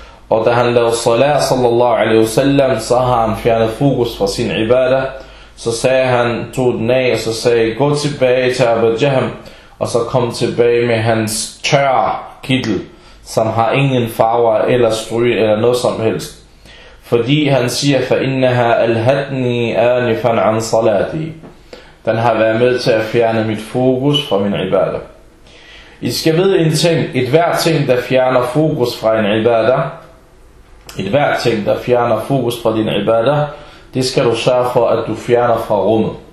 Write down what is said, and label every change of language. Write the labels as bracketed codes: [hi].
[da] Og da han lavede salat sallallahu alaihi wasallam, så har han fjernet fokus fra sin ibadah. Så sagde han, tog den af, og så sagde, gå tilbage til Abu Jahm, og så kom tilbage med hans tør kittel, som har ingen farver eller stryg eller noget som helst. Fordi han siger, [ar] فَإِنَّهَا أَلْهَدْنِي آنِفًا عَنْ صَلَاتِي. [da] Den har været med til at fjerne mit fokus fra min ibadah. I skal vide en ting, et hvert ting, der fjerner fokus fra en ibadah, et hvert ting, der fjerner fokus fra din ibadah, det skal du sørge for, at du fjerner fra rummet.